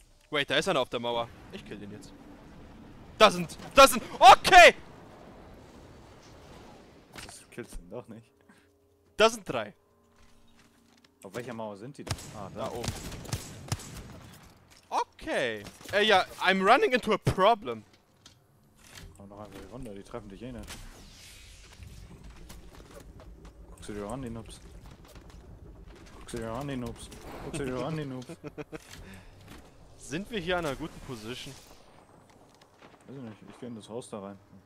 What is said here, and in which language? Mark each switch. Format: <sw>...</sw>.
<de>Wait, da ist einer auf der Mauer. Ich kill den jetzt. Da sind. Okay! Das killst du doch nicht. Da sind drei. Auf welcher Mauer sind die denn? Ah, da oben. Okay.</de> <en>Ja, I'm running into a problem.</en> <de>Komm noch einfach runter, die treffen dich eh nicht. Guckst du dir an, die Noobs? Guckst du dir an, die Noobs? Sind wir hier an einer guten Position? Weiß ich nicht, ich geh in das Haus da rein.</de>